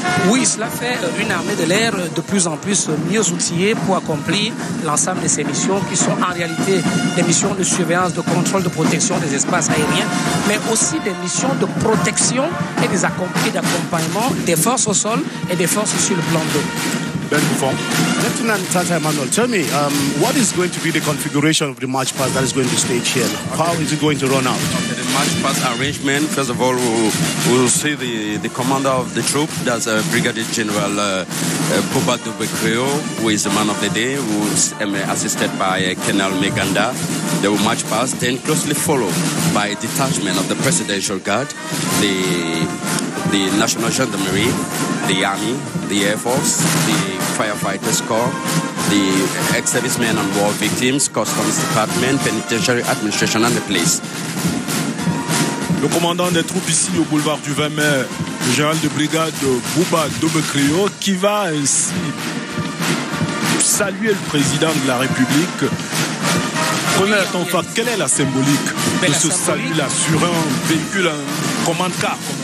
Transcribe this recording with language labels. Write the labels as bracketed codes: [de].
[fr] Oui, cela fait une armée de l'air de plus en plus mieux outillée pour accomplir l'ensemble de ses missions qui sont en réalité des missions de surveillance, de contrôle, de protection des espaces aériens, mais aussi des missions de protection et des accomplis d'accompagnement des forces au sol et des forces sur le plan d'eau. Ben Buffon. [en] Lieutenant Tata Emmanuel, tell me, what is going to be the configuration of the march pass that is going to stage here? Okay. How is it going to run out? Okay, the march pass arrangement, first of all, we'll see the commander of the troop, that's Brigadier General Poba Dubekreo, who is the man of the day, who's assisted by Colonel Meganda. They will march past, then closely followed by a detachment of the Presidential Guard, the National Gendarmerie, the Army, the Air Force, the Firefighters Corps, the ex-servicemen and war victims, Customs Department, Penitentiary Administration, and the police. [fr] Le commandant des troupes ici au boulevard du 20 mai, le général de brigade Bouba Dobekrio, qui va ainsi saluer le président de la République. Colonel Tonfak, quelle est la symbolique de ce salut-là sur un véhicule, un commande-car?